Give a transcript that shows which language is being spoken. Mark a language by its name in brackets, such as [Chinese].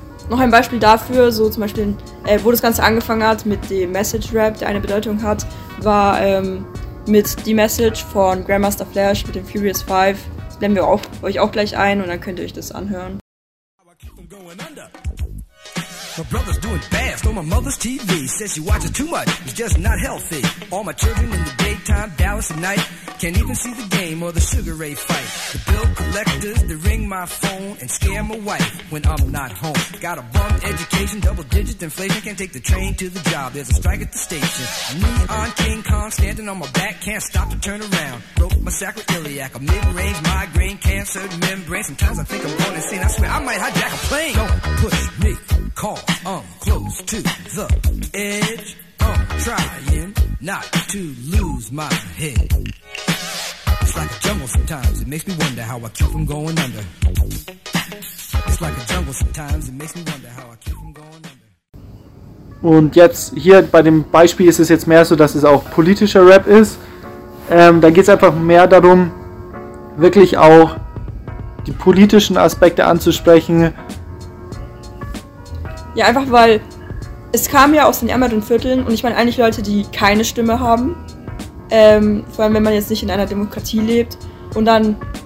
[German] Noch ein Beispiel dafür, so zum Beispiel, wo das Ganze angefangen hat mit dem Message-Rap, der eine Bedeutung hat, war mit die Message von Grandmaster Flash mit dem Furious 5. Das blenden wir auch, euch auch gleich ein und dann könnt ihr euch das anhören. [English] My brother's doing fast on my mother's TV. Says she watches too much, it's just not healthy. All my children in the daytime, Dallas at night. Can't even see the game or the Sugar Ray fight. The bill collectors, they ring my phone and scare my wife when I'm not home. Got a bum education, double digit inflation. Can't take the train to the job, there's a strike at the station. Neon King Kong standing on my back, can't stop to turn around. Broke my sacroiliac, a mid-range migraine, cancer membrane. Sometimes I think I'm going insane, I swear I might hijack a plane. Don't push me, call. I'm close to the edge. I'm trying not to lose my head. It's like a jungle sometimes. It makes me wonder how I keep from going under. It's like a jungle sometimes. It makes me wonder how I keep from going under. [German] Und jetzt hier bei dem Beispiel ist es jetzt mehr so, dass es auch politischer Rap ist. Da geht es einfach mehr darum, wirklich auch die politischen Aspekte anzusprechen. Ja, einfach weil es kam ja aus den ärmeren Vierteln und ich meine eigentlich Leute, die keine Stimme haben, vor allem wenn man jetzt nicht in einer Demokratie lebt und dann,